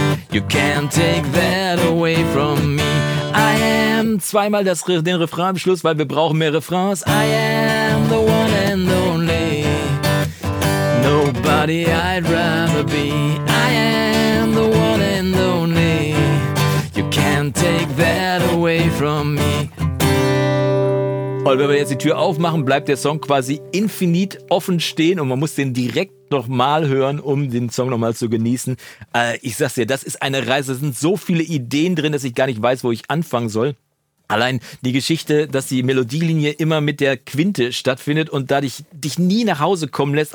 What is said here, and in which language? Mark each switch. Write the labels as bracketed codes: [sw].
[en] You can't take that away from me. I am [de] zweimal den Refrain am Schluss, weil wir brauchen mehr Refrains. [en] I am the one and only. Nobody I'd rather be. I am the one and only. You can't take that away from me. [de] Und wenn wir jetzt die Tür aufmachen, bleibt der Song quasi infinit offen stehen und man muss den direkt nochmal hören, um den Song nochmal zu genießen. Ich sag's dir, das ist eine Reise. Da sind so viele Ideen drin, dass ich gar nicht weiß, wo ich anfangen soll. Allein die Geschichte, dass die Melodielinie immer mit der Quinte stattfindet und dadurch dich nie nach Hause kommen lässt.